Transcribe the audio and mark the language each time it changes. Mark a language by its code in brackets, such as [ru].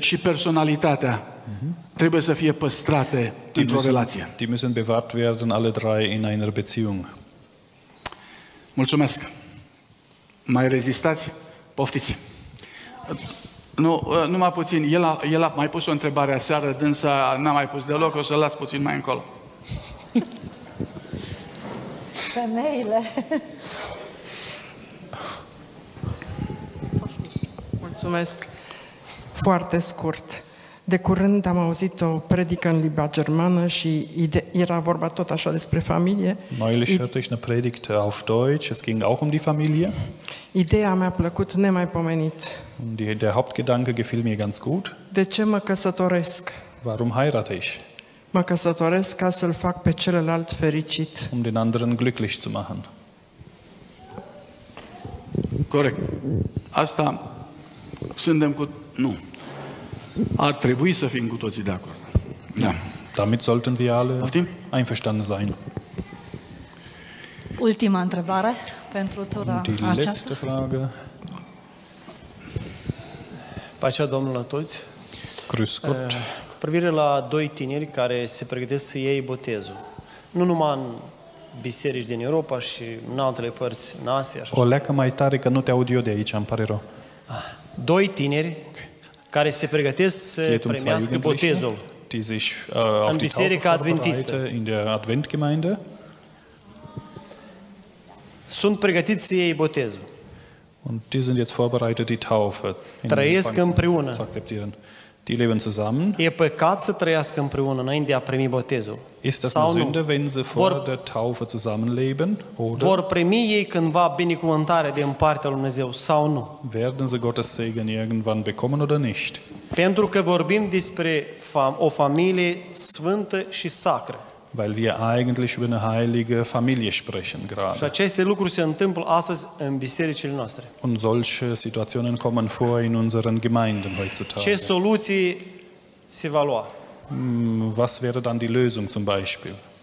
[ro] și personalitatea trebuie să fie păstrate într-o relație. [de] Die müssen bewahrt werden, alle drei in einer Beziehung. [ro] Mulțumesc. Mai rezistați? Poftiți. Nu, numai puțin. El a mai pus o întrebare aseară, dânsa n-a mai pus deloc, o să-l las puțin mai încolo. Femeile. Mulțumesc. Foarte scurt. De curând am auzit o predică în limba germană și era vorba tot așa despre familie. [de] Neulich hörte ich eine Predigt auf Deutsch, es ging auch um die Familie. [ro] Ideea mi-a plăcut nemaipomenit. [de] Der Hauptgedanke gefiel mir ganz gut. [ro] De ce mă căsătoresc? [de] Warum heirate ich? [ro] Mă căsătoresc ca să-l fac pe celălalt fericit. [de] Um den anderen glücklich zu machen. [ro] Corect. Asta suntem cu... Nu. Ar trebui să fim cu toții de acord. Da. [de] Damit sollten wir alle einverstanden sein. [ro] Ultima întrebare pentru tura aceasta. [de] Die letzte Frage. [ro] Pacea Domnului la toți. [de] Grüß Gott. [ro] Cu privire la doi tineri care se pregătesc să iei botezul. nu numai în biserici din Europa și în altele părți, în Asia. O leacă mai tare că nu te aud eu de aici, îmi pare rău. Doi tineri care se pregătesc să primească botezul în biserica adventistă. [de] In der Adventgemeinde. [ro] Sunt pregătiți să iei botezul. [de] Und die sind jetzt vorbereitet die Taufe. [ro] Trăiesc împreună. [de] Zu akzeptieren. Die leben zusammen. [ro] E păcat să trăiască împreună înainte de a primi botezul. [de] Ist das eine Sünde, wenn sie vor der Taufe zusammenleben? Oder? [ro] Vor primi ei cândva binecuvântare din partea lui Dumnezeu sau nu? [de] Werden sie Gottes Segen irgendwann bekommen oder nicht? [ro] Pentru că vorbim despre o familie sfântă și sacră. [de] Weil wir eigentlich über eine heilige Familie sprechen gerade. [ro] Și aceste lucruri se întâmplă astăzi în bisericile noastre. [de] Und solche Situationen kommen vor in unseren Gemeinden heutzutage. [ro] Ce soluții se va lua? [de] Was wäre dann die Lösung zum Beispiel?